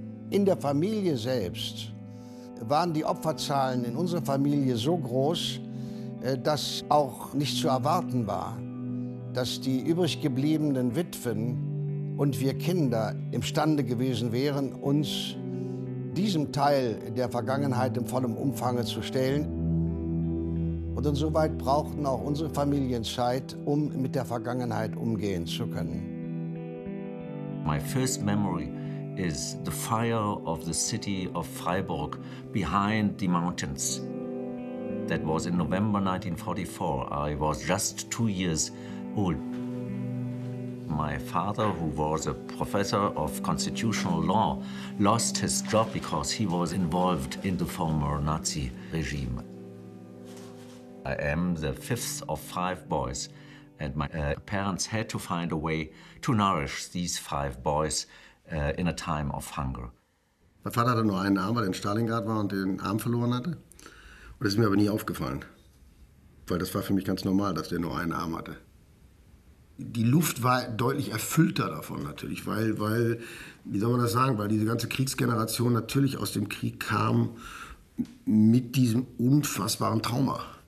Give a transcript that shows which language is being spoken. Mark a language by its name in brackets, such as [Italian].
[German] In der Familie selbst waren die Opferzahlen in unserer Familie so groß, dass auch nicht zu erwarten war, dass die übrig gebliebenen Witwen und wir Kinder imstande gewesen wären, uns diesem Teil der Vergangenheit in vollem Umfange zu stellen. Und insoweit brauchten auch unsere Familien Zeit, um mit der Vergangenheit umgehen zu können. [English] My first memory is the fire of the city of Freiburg behind the mountains. That was in November 1944. I was just 2 years old. My father, who was a professor of constitutional law, lost his job because he was involved in the former Nazi regime. I am the fifth of five boys, and my parents had to find a way to nourish these five boys in a time of hunger. My father had only one arm, [German] weil er in Stalingrad war und den Arm verloren hatte. Und das ist mir aber nie aufgefallen, weil das war für mich ganz normal, dass der nur einen Arm hatte. Die Luft war deutlich erfüllter davon natürlich, weil, wie soll man das sagen, weil diese ganze Kriegsgeneration natürlich aus dem Krieg kam mit diesem unfassbaren Trauma.